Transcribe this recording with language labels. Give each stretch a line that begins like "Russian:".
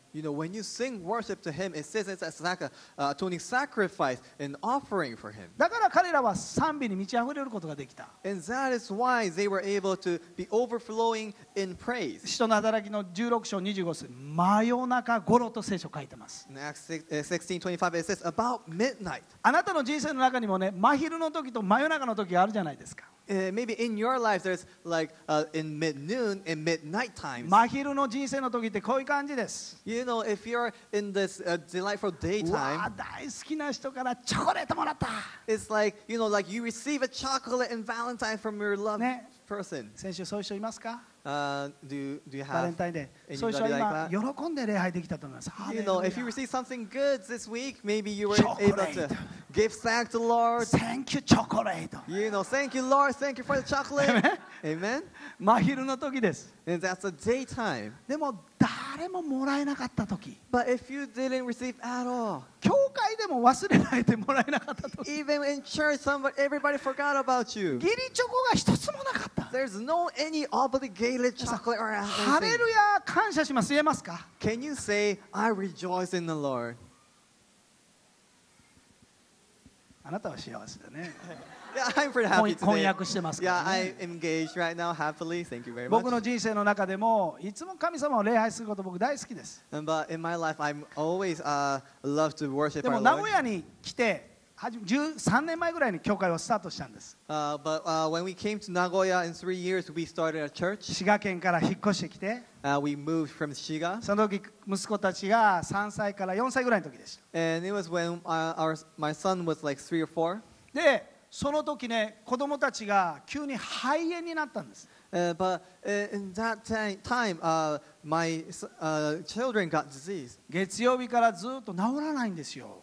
English: You know, when you sing worship to him, it says it's like a atoning sacrifice and offering for him.
Japanese: だから彼らは賛美に満ち溢れることができた。
English: And that is why they were able to be overflowing in praise.
Japanese: 使徒の働きの16章25節、真夜中頃と聖書書いてます。
English: In Acts 16:25, it says about midnight.
Japanese: あなたの人生の中にもね、真昼の時と真夜中の時があるじゃないですか。
English: Maybe in your life there's like in mid-noon and midnight times.
Japanese: 真昼の人生の時ってこういう感じです。
English: You know, if you're in this delightful daytime,
Japanese: 大好きな人からチョコレートもらった。
English: It's like you know, like you receive a chocolate and Valentine from your loved、ね、person.
Japanese: 先週そういう人いますか？
English: Do you have Valentine Day?
Japanese: そういう人は今喜んで礼拝できたと思います。
English: You know, if you receive something good this week, maybe you were able to give thanks to the Lord. Thank you, chocolate. You know, thank you, Lord. Thank you for the chocolate. Amen.
Japanese: 真昼の時です。
English: And that's the daytime.
Japanese: でも誰ももらえなかった時。
English: But if you didn't receive at all.
Japanese: 教会でも忘れられてもらえなかった時。
English: Even in church, somebody, everybody forgot about you.
Japanese: ギリチョコが一つもなかった。
English: There's no any obligated chocolate or anything.
Japanese: ハレルヤ、感謝します。言えますか？
English: Can you say, I rejoice in the Lord?
Japanese: あなたは幸せだね。
English: Yeah, I'm pretty happy today.
Japanese: 翻訳してますからね。
English: Yeah, I'm engaged right now, happily. Thank you very much.
Japanese: 僕の人生の中でもいつも神様を礼拝すること僕大好きです。
English: But in my life, I'm always love to worship our Lord.
Japanese: でも名古屋に来て13年前ぐらいに教会をスタートしたんです。
English: But when we came to Nagoya in 3 years, we started a church.
Japanese: 滋賀県から引っ越してきて。
English: We moved from Shiga.
Japanese: その時息子たちが3歳から4歳ぐらいの時でした。
English: And it was when my son was like 3 or 4.
Japanese: で、その時ね、子供たちが急に肺炎になったんです。
English: But in that time, my children got disease.
Japanese: 月曜日からずっと治らないんですよ。